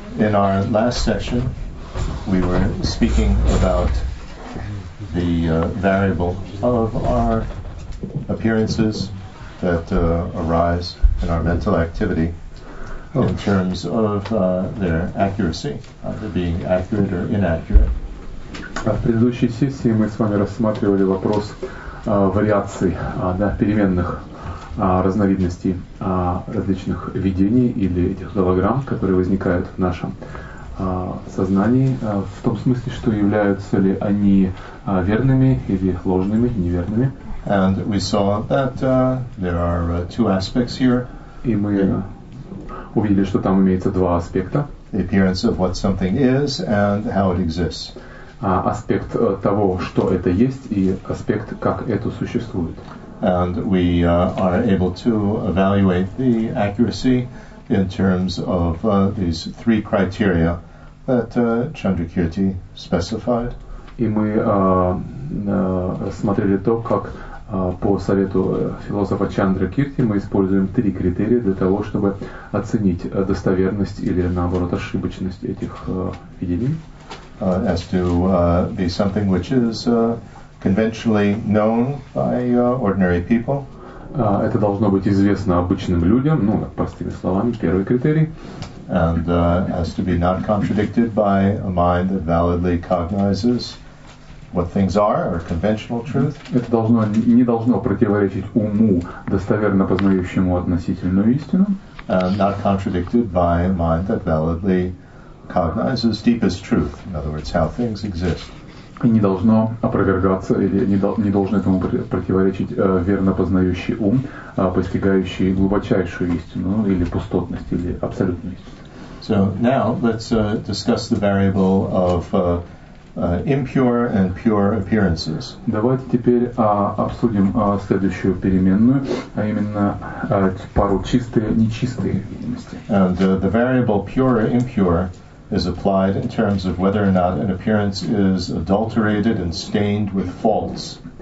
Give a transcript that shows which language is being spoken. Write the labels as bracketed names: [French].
[English] In our last session, we were speaking about the variable of our appearances that arise in our mental activity in terms of their accuracy, either being accurate or inaccurate. [Russian] В предыдущей сессии мы с вами рассматривали вопрос вариаций, да, переменных разновидностей различных видений или этих голограмм, которые возникают в нашем сознании, в том смысле, что являются ли они верными или ложными, неверными. [English] And we saw that there are two aspects here. [Russian] И мы увидели, что там имеется два аспекта. [English] The appearance of what something is and how it exists. [Russian] Аспект того, что это есть, и аспект, как это существует. [English] And we are able to evaluate the accuracy in terms of these three criteria that Chandrakirti specified. [Russian] И мы смотрели то, как по совету философа Чандракирти мы используем три критерия для того, чтобы оценить достоверность или, наоборот, ошибочность этих видений. [English] As to be something which is conventionally known by ordinary people. [Russian] Это должно быть известно обычным людям, ну, простыми словами, первый критерий. [English] And as to be not contradicted by a mind that validly cognizes what things are, or conventional truth. [Russian] Это должно, не должно противоречить уму, достоверно познающему относительную истину. [English] Not contradicted by a mind that validly cognizes deepest truth, in other words, how things exist. [Russian] И не должно опровергаться, или не должен этому противоречить верно познающий ум, постигающий глубочайшую истину, или пустотность, или абсолютную истину. [English] So now let's discuss the variable of impure and pure appearances. [Russian] Давайте теперь обсудим следующую переменную, а именно пару чистые, нечистые видимости. [English] And the variable pure or impure is applied in terms of whether or not an appearance is adulterated and stained with faults.